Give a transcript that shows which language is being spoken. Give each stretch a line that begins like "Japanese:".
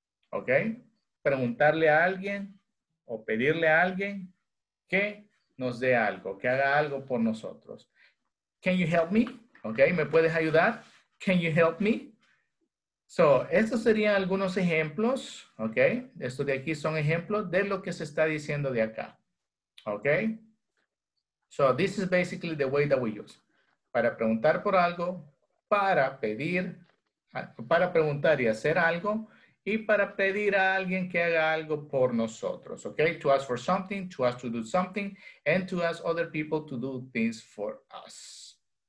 Spanish: Okay, preguntarle a alguien o pedirle a alguien que nos dé algo, que haga algo por nosotros.
English: Can you help me? Okay,
Spanish: ¿me puedes ayudar?
English: Can you help me?
Spanish: So, estos serían algunos ejemplos, okay? Estos de aquí son ejemplos de lo que se está diciendo de acá. Okay?
English: So, this is basically the way that we use.
Spanish: Para preguntar por algo, para pedir, para preguntar y hacer algo, y para pedir a alguien que haga algo por nosotros, okay?
English: To ask for something, to ask to do something, and to ask other people to do things for us.